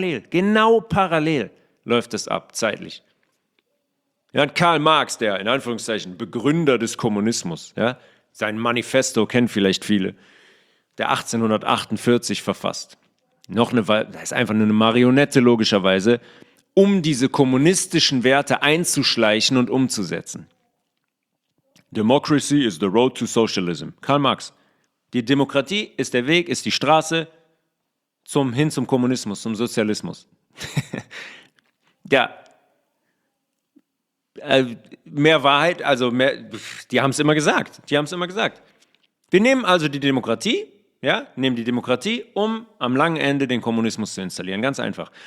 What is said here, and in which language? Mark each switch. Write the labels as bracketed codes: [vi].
[de] Genau parallel läuft es ab, zeitlich. Ja, und Karl Marx, der in Anführungszeichen Begründer des Kommunismus, ja, sein Manifesto kennt vielleicht viele, der 1848 verfasst. Das ist einfach nur eine Marionette, logischerweise, um diese kommunistischen Werte einzuschleichen und umzusetzen. [en] Democracy is the road to socialism. Karl Marx. [de] Die Demokratie ist der Weg, ist die Straße hin zum Kommunismus, zum Sozialismus. Ja. Mehr Wahrheit, also mehr, die haben es immer gesagt. Wir nehmen also die Demokratie, ja, nehmen die Demokratie, um am langen Ende den Kommunismus zu installieren, ganz einfach.